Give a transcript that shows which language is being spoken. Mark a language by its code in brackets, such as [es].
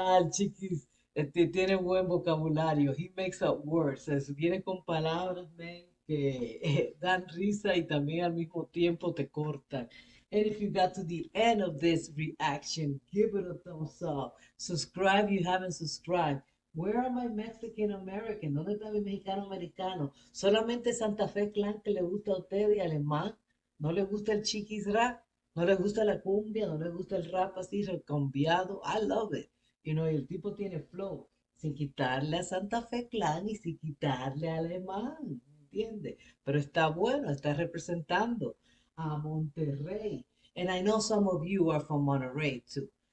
[en] Chiquis, [es] tiene buen vocabulario. [en] He makes up words. [es] Es, viene con palabras, man, que dan risa y también al mismo tiempo te cortan. [en] And if you got to the end of this reaction, give it a thumbs up. Subscribe if you haven't subscribed. Where are my Mexican American? [es] ¿Dónde está mi mexicano americano? Solamente Santa Fe Clan que le gusta a usted y alemán. ¿No le gusta el Chiquis Rap? ¿No les gusta la cumbia? ¿No les gusta el rap así recambiado? [en] I love it. [es] You know, y el tipo tiene flow. Sin quitarle a Santa Fe Clan y sin quitarle a Alemán. ¿Entiendes? Pero está bueno. Está representando a Monterrey. [en] And I know some of you are from Monterrey too.